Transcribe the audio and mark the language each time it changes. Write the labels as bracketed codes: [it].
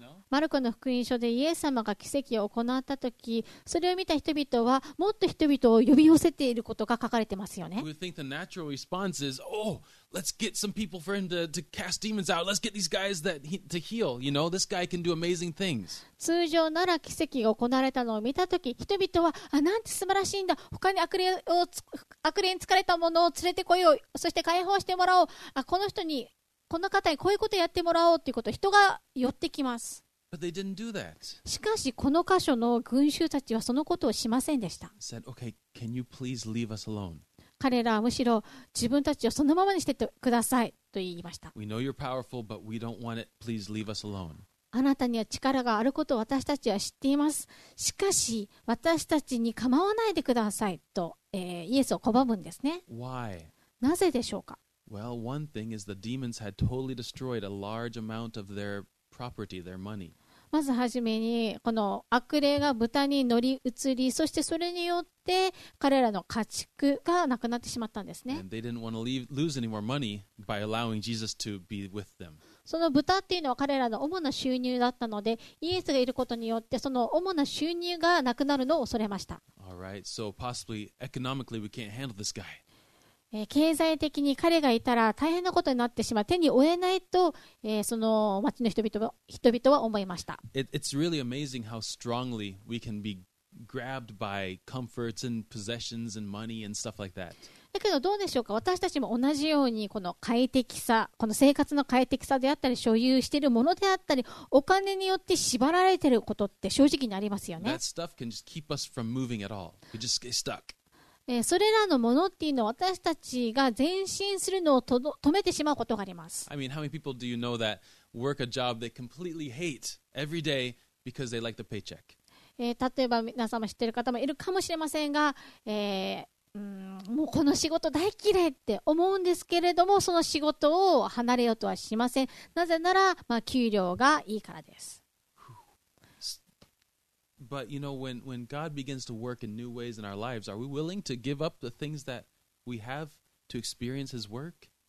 [ja] マルコの福音書でイエス様が奇跡を行ったとき、それを見た人々はもっと人々を呼び寄せていることが書かれてますよね。 [en] We think the natural response is, oh, let's get some people for him to cast demons out. Let's get these guys to heal. You know, this guy can do amazing things. [ja] 通常なら奇跡が行われたのを見たとき、人々はあ、なんて素晴らしいんだ。他に悪霊に疲れた者を連れてこよう。そして解放してもらおう。あ、この人にこの方にこういうことをやってもらおうということ、人が寄ってきます。 [en] But they didn't do that. [ja] しかし、この箇所の群衆たちはそのことをしませんでした。 [en] Said, okay, can you please leave us alone? [ja] 彼らはむしろ自分たちをそのままにしてくださいと言いました。 [en] We know you're powerful, but we don't want it. Please leave us alone. [ja] あなたには力があることを私たちは知っています。しかし、私たちに構わないでくださいと、イエスを拒むんですね。 [en] Why? [ja] なぜでしょうか。 [en] Well, one thing is the demons had totally destroyed a large amount of their property, their money. [ja] まずはじめにこの悪霊が豚に乗り移り、そしてそれによって彼らの家畜がなくなってしまったんですね。 [en] And they didn't want to lose any more money by allowing Jesus to be with them. [ja] その豚っていうのは彼らの主な収入だったので、イエスがいることによってその主な収入がなくなるのを恐れました。 [en] All right, so possibly economically we can't handle this guy. [ja] 経済的に彼がいたら大変なことになってしまう、手に負えないと、その町の人々は思いました。 [en] It's really amazing how strongly we can be grabbed by comforts and possessions and money and stuff like that. [ja] だけどどうでしょうか、私たちも同じようにこの快適さ、この生活の快適さであったり、所有しているものであったり、お金によって縛られていることって正直にありますよね。 [en] That stuff can just keep us from moving at all. We just get stuck. [ja] それらのものっていうのは私たちが前進するのを止めてしまうことがあります。 [en] I mean, how many people do you know that work a job they completely hate every day because they like the paycheck? [ja] 例えば皆様知ってる方もいるかもしれませんが、もうこの仕事大嫌いって思うんですけれども、その仕事を離れようとはしません。なぜなら、まあ、給料がいいからです。 [en] But you know, when God begins to work in new ways in our lives, are we willing to give up the things that we have to experience His work?